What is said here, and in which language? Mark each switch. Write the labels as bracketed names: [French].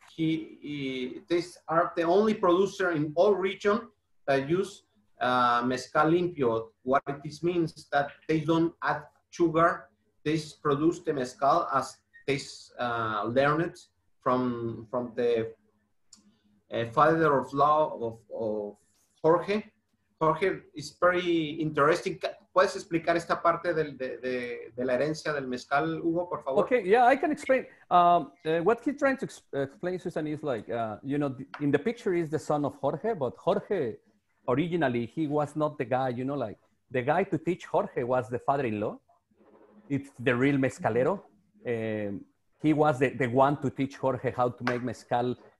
[English] He these are the only producer in all region that use mezcal limpio. What this means that they don't add sugar. They produce the mezcal as they learn it from the father of law of Jorge. Jorge is very interesting. [Spanish] ¿Puedes explicar esta parte de la herencia del mezcal, Hugo, por favor? [English] Okay, yeah, I can explain. What he's trying to explain, Susan, is like, you know, in the picture is the son of Jorge, but Jorge, originally, he was not the guy, you know, like, the guy to teach Jorge was the father-in-law. It's the real mezcalero. He was the one to teach Jorge how to make mezcal.